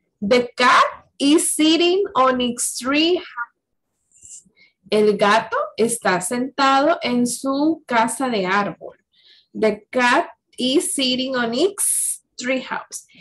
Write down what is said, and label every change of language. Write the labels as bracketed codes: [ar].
[en] The cat is sitting on its tree house. [es] El gato está sentado en su casa de árbol. [en] The cat is sitting on its tree house.